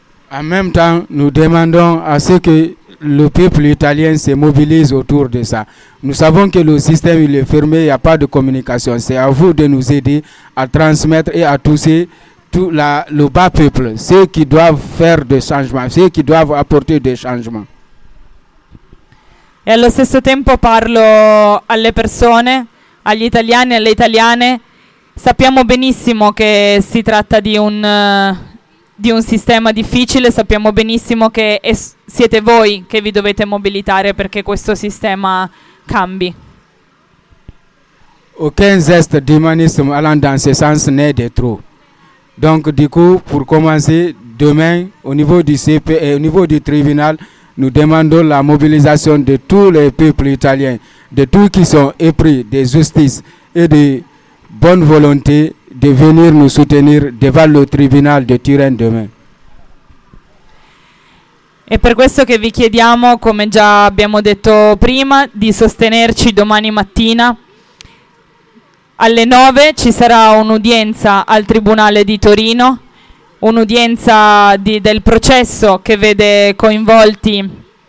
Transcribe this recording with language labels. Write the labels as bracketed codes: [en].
[fr] En même temps, nous demandons à ce que le peuple italien se mobilise autour de ça. Nous savons que le système il est fermé, il n'y a pas de communication. C'est à vous de nous aider à transmettre et à toucher tout la, le bas peuple, ceux qui doivent faire des changements, ceux qui doivent apporter des changements. [it] E allo stesso tempo parlo alle persone, agli italiani e alle italiane. Sappiamo benissimo che si tratta di un sistema difficile, sappiamo benissimo che siete voi che vi dovete mobilitare perché questo sistema cambi. [fr] Aucun geste d'humanisme allant dans ce sens n'est de trop. Donc du coup, pour commencer, demain, au niveau du CP, au niveau du tribunal, nous demandons la mobilisation de tous les peuples italiens, de tous qui sont épris de justice et de bonne volonté de venir nous soutenir devant le tribunal de Turin demain. [it] È per questo che vi chiediamo, come già abbiamo detto prima, di sostenerci domani mattina. Alle 9 ci sarà un'udienza al Tribunale di Torino, un'udienza del processo che vede coinvolti